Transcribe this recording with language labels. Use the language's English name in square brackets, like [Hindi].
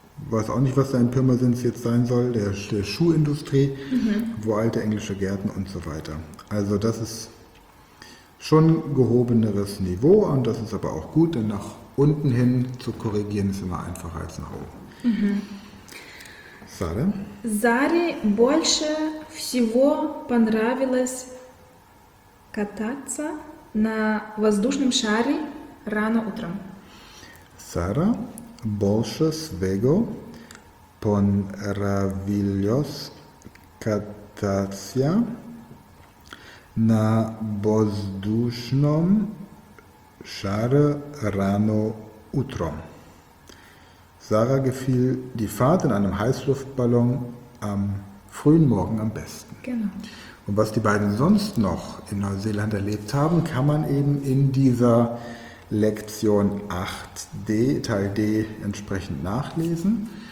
[German] weiß auch nicht, was da in Pirmasens jetzt sein soll, der Schuhindustrie, mhm. wo alte englische Gärten und so weiter. Also das ist schon gehobeneres Niveau und das ist aber auch gut, denn nach unten hin zu korrigieren ist immer einfacher als nach oben. Sare? Mhm. [Russian] Sare больше всего понравилось кататься на воздушном шаре рано утром. Sara, больше всего понравилось кататься на воздушном шаре рано утром. [German] Sara gefiel die Fahrt in einem Heißluftballon am frühen Morgen am besten. Genau. Und was die beiden sonst noch in Neuseeland erlebt haben, kann man eben in dieser Lektion 8d, Teil D, entsprechend nachlesen.